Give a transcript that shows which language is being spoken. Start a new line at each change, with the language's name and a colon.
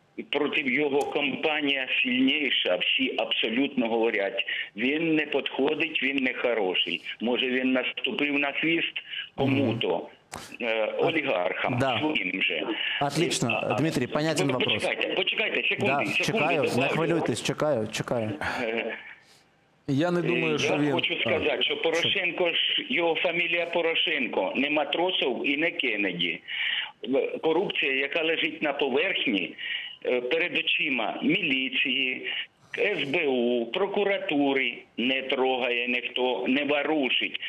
Ukrainian: проти його кампанія сильніша, всі абсолютно говорять, він не підходить, він не хороший. Може він наступив на свіст кому-то? Олігархам, да. Своїм же.
Russian: Отлично, Дмитрий, понятен вопрос.
Ukrainian: Почекайте, секунди. Да, чекаю, не хвилюйтесь, чекаю. Я не думаю, що він... Я хочу сказати, що Порошенко, його фамілія Порошенко, не Матросов і не Кеннеді. Корупція, яка лежить на поверхні, перед очима міліції, СБУ, прокуратури не трогає, ніхто не ворушить.